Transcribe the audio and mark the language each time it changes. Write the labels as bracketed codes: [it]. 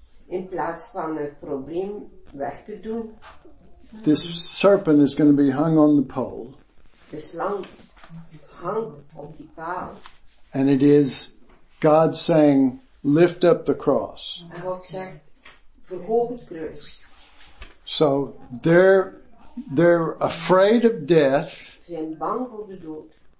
[nl] In plaats van het probleem weg te doen. [en] This serpent is going to be hung on the pole. [nl] De slang hangt op die paal. [en] And it is God saying, lift up the cross. [nl] En God zegt, verhoog het kruis. [en] So they're afraid of death. [nl] Ze zijn bang voor de dood.